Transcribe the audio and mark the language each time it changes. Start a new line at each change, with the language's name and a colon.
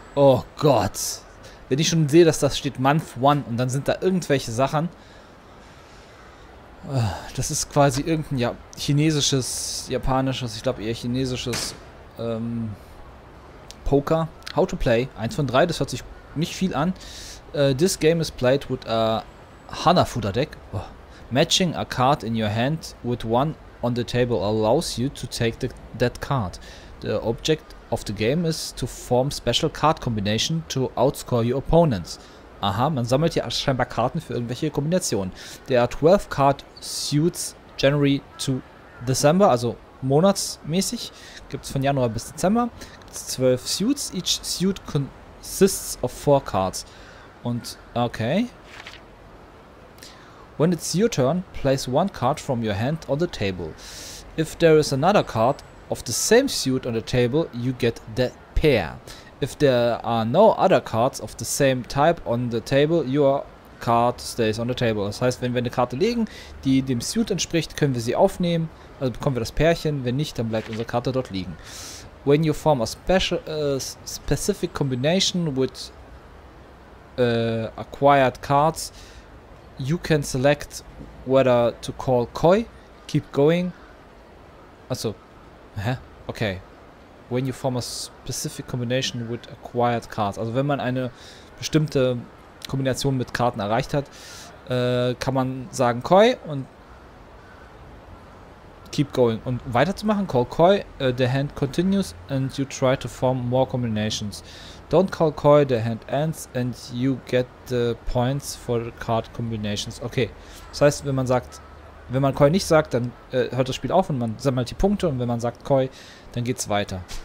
German: Oh Gott. Wenn ich schon sehe, dass das steht Month 1 und dann sind da irgendwelche Sachen. Das ist quasi irgendein chinesisches, japanisches, ich glaube eher chinesisches Poker.
English: How to play.
German: 1 von 3, das hört sich nicht viel an.
English: This game is played with a Hanafuda deck. Oh. Matching a card in your hand with one on the table allows you to take that card. The object of the game is to form special card combination to outscore your opponents.
German: Aha, man sammelt ja scheinbar Karten für irgendwelche Kombinationen.
English: There are 12 card suits January to December,
German: also monatsmäßig. Gibt es von Januar bis Dezember. Gibt es 12 suits.
English: Each suit consists of 4 cards.
German: Und, okay.
English: When it's your turn, place one card from your hand on the table. If there is another card of the same suit on the table, you get that pair. If there are no other cards of the same type on the table, your card stays on the table.
German: Das heißt, wenn wir eine Karte legen, die dem Suit entspricht, können wir sie aufnehmen. Also bekommen wir das Pärchen. Wenn nicht, dann bleibt unsere Karte dort liegen.
English: When you form a special, specific combination with acquired cards, you can select whether to call Koi, keep going.
German: Also, hä? Okay.
English: When you form a specific combination with acquired cards.
German: Also wenn man eine bestimmte Kombination mit Karten erreicht hat, kann man sagen Koi und
English: keep going.
German: Und weiterzumachen,
English: call Koi, the hand continues and you try to form more combinations. Don't call Koi, the hand ends and you get the points for the card combinations.
German: Okay, das heißt, wenn man sagt, wenn man Koi nicht sagt, dann hört das Spiel auf und man sammelt die Punkte und wenn man sagt Koi, dann geht's weiter.